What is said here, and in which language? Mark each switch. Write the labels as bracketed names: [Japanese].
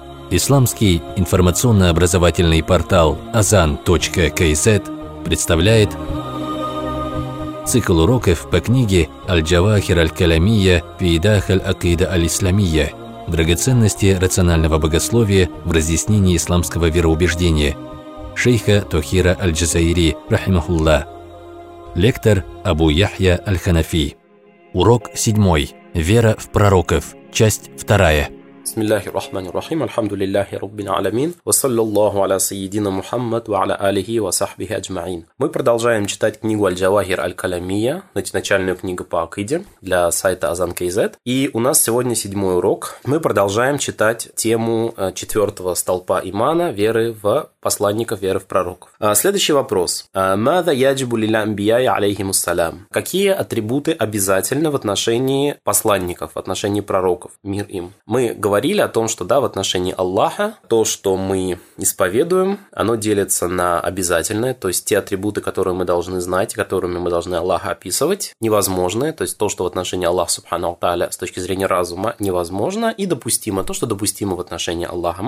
[Russian] Исламский информационно-образовательный портал azan.kz представляет цикл уроков по книге «Аль-Джавахир аль-Калямия фиидах аль-Акида аль-Исламия» «Драгоценности рационального богословия в разъяснении исламского вероубеждения» шейха Тохира аль-Джазаири, рахимахулла. Лектор Абу Яхья аль-Ханафи. Урок 7. Вера в пророков. Часть 2. [Arabic] بسم الله الرحمن الرحيم الحمد لله رب العالمين وصلى الله على سيدنا محمد وعلى آله وصحبه أجمعين. [Russian] Мы продолжаем читать книгу Аль-Джавахир Аль-Калямия, начальную книгу по акиде для сайта Azan.kz. И у нас сегодня 7 урок. Мы продолжаем читать тему 4 столпа имана, веры в посланников, веры в пророков. Следующий вопрос. [Arabic] ماذا يجب للأنبياء عليهم السلام? [Russian] Какие атрибуты обязательны в отношении посланников, в отношении пророков, мир им? Мы говорили о том, что да, в отношении Аллаха то, что мы исповедуем, оно делится на обязательное, то есть те атрибуты, которые мы должны знать, которыми мы должны Аллаха описывать, невозможные, то есть то, что в отношении Аллаха Субхана ва Тааля с точки зрения разума невозможно и допустимо, то, что допустимо в отношении Аллаха.